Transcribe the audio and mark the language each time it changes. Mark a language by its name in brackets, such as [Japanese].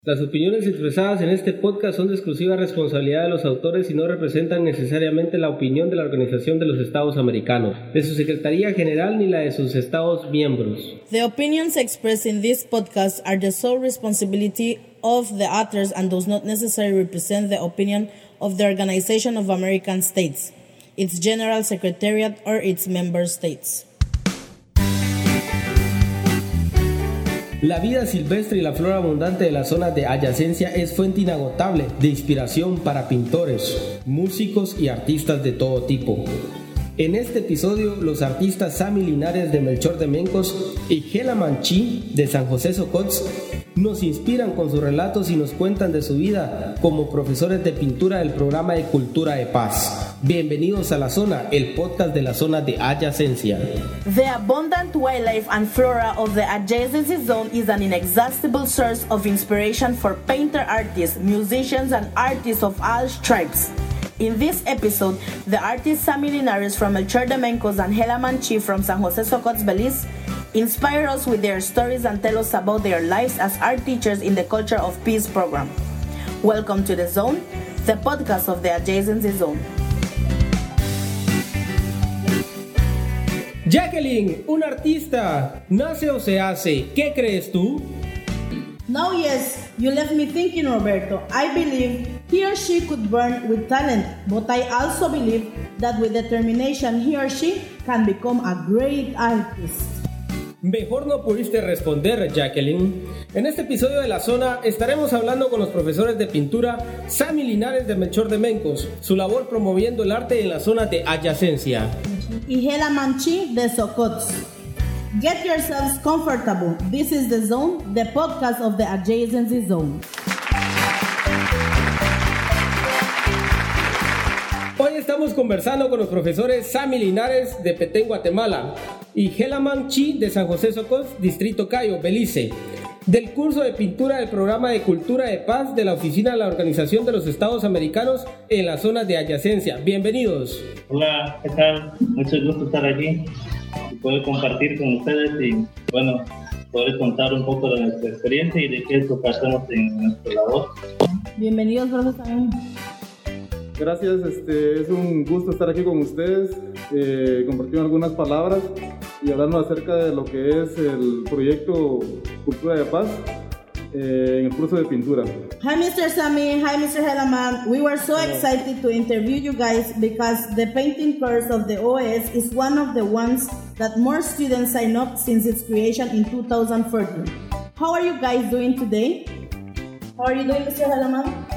[Spanish] Las opiniones expresadas en este podcast son de exclusiva responsabilidad de los autores y no representan necesariamente la opinión de la Organización de los Estados Americanos, de su Secretaría General ni la de sus Estados miembros. [English] The opinions expressed in this podcast are the sole responsibility of the authors and does not necessarily represent the opinion of the Organization of American States, its General Secretariat, or its member states. [Spanish] La vida silvestre y la flora abundante de las zonas de adyacencia es fuente inagotable de inspiración para pintores, músicos y artistas de todo tipo. En este episodio, los artistas Sammy Linares de Melchor de Mencos y Gela Manchi de San José Socotz nos inspiran con sus relatos y nos cuentan de su vida como profesores de pintura del programa de Cultura de Paz. Bienvenidos a La Zona, el podcast de la zona de adyacencia. [English] The abundant wildlife and flora of the adjacency zone is an inexhaustible source of inspiration for painter artists, musicians, and artists of all stripes. In this episode, the artists Sammy Linares from Melchor de Mencos and Gela Manchi from San José Socotz, Belize, inspire us with their stories and tell us about their lives as art teachers in the Culture of Peace program. Welcome to The Zone, the podcast of the adjacency zone. [Spanish] Jacqueline, un artista, ¿nace o se hace? ¿Qué crees tú? [English] No, yes, you left me thinking, Roberto. I believe he or she could burn with talent, but I also believe that with determination, he or she can become a great artist. [Spanish] Mejor no pudiste responder, Jacqueline. En este episodio de La Zona estaremos hablando con los profesores de pintura Sammy Linares de Melchor de Mencos, su labor promoviendo el arte en la zona de adyacencia. Y Gela Manchi de Socotz. [English] Get yourselves comfortable. This is The Zone, the podcast of the adjacency zone. [Spanish] Hoy estamos conversando con los profesores Sammy Linares de Petén, Guatemala, y Gela Manchi de San José Socotz, Distrito Cayo, Belice, del curso de pintura del programa de Cultura de Paz de la Oficina de la Organización de los Estados Americanos en las zonas de adyacencia. Bienvenidos. Hola, ¿qué tal? Mucho gusto estar aquí y poder compartir con ustedes y, bueno, poder contar un poco de nuestra experiencia y de qué es lo que hacemos en nuestro labor. Bienvenidos, gracias también. Gracias, es un gusto estar aquí con ustedes, compartir algunas palabras y hablarnos acerca de lo que es el proyecto Cultura de Paz en el curso de pintura. [English] Hi Mr. Sammy, hi Mr. Hellaman. We were so excited to interview you guys because the painting course of the OAS is one of the ones that more students sign up since its creation in 2014. How are you guys doing today? How are you doing, Mr. Hellaman?